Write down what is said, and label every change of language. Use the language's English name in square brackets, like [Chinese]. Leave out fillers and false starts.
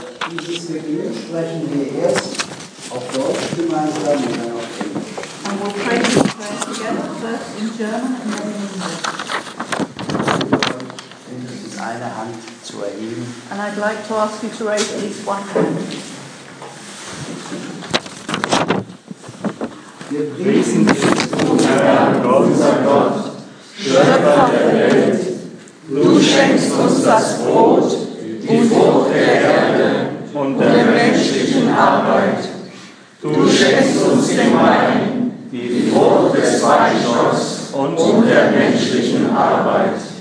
[German] Dieses Gebet sprechen wir erst auf Deutsch gemeinsam und dann auf Englisch. [English] And we'll pray this prayer together, first in German and then in English. [German] Und es ist eine Hand zu erheben. [English] And I'd like to ask you to raise at least one hand. [German] Wir priesen dich, unser Gott, Schöpfer der Welt. Du schenkst uns das Brot, die Frucht der Erde und der menschlichen Arbeit. Du schenkst uns den Wein, die Frucht des Weinstocks und der menschlichen Arbeit.